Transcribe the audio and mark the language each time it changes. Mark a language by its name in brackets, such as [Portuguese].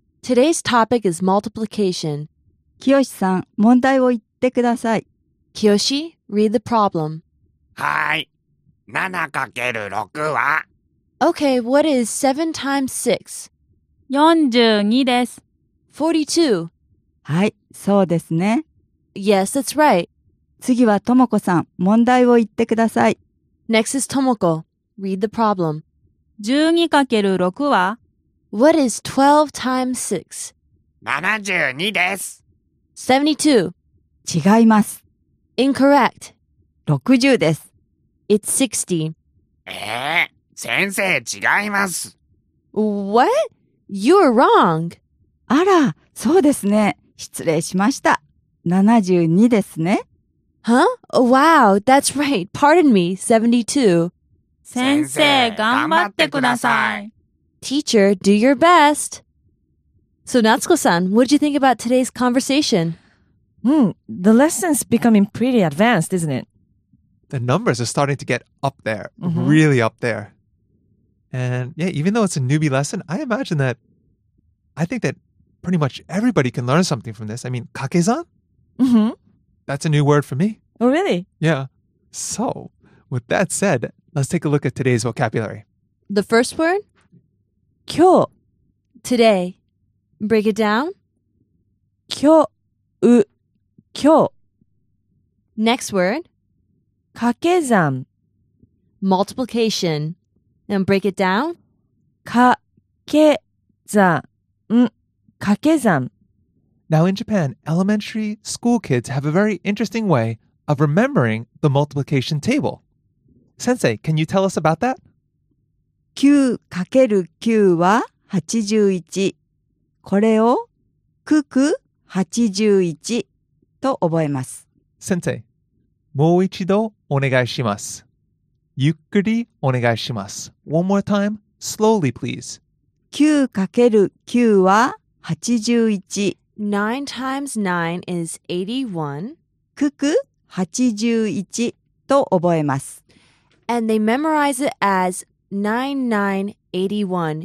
[English] Today's topic is multiplication. [Japanese] きよしさん、問題を言ってください。 [English] Kiyoshi, read the problem. [Japanese] はい。7×6 は [English] Okay, what is 7 times 6? [Japanese] 42です。 [English] 42. [Japanese] はい、そうですね。 [English] Yes, that's right. [Japanese] 次はともこさん、問題を言ってください。 [English] Next is Tomoko. Read the problem. [Japanese] 12×6 は [English] What is 12 times 6? [Japanese] 72です。 [English] 72. [Japanese] 違います。 [English] Incorrect. [Japanese] 60です。 [English] It's 60. [Japanese] 先生、違います。 [English] What? You're wrong. [Japanese] あら、そうですね。失礼しました。72ですね。 [English] Huh? Wow, that's right. Pardon me, 72. [Japanese] 先生、頑張ってください。 [English] Teacher, do your best. So, Natsuko-san, what did you think about today's conversation? The lesson's becoming pretty advanced, isn't it? The numbers are starting to get up there, really up there. And yeah, even though it's a newbie lesson, I think that pretty much everybody can learn something from this. I mean, kakezan? That's a new word for me. Oh, really? Yeah. So, with that said, let's take a look at today's vocabulary. The first word? [Japanese] Kyo. [English] Today. Break it down. [Japanese] Kyo. [English] Next word. [Japanese] Kakezan. [English] Multiplication. And break it down. [Japanese] Kakezan. Kakezan. [English] Now in Japan, elementary school kids have a very interesting way of remembering the multiplication table. Sensei, can you tell us about that? [Japanese] 9×9=81. これをくく81と覚えます。 Sensei, もう一度お願いします。ゆっくりお願いします。 [English] One more time, slowly please. [Japanese] 9×9=81。 [English] 9×9=81. [Japanese] くく81と覚えます。 [English] And they memorize it as 9981.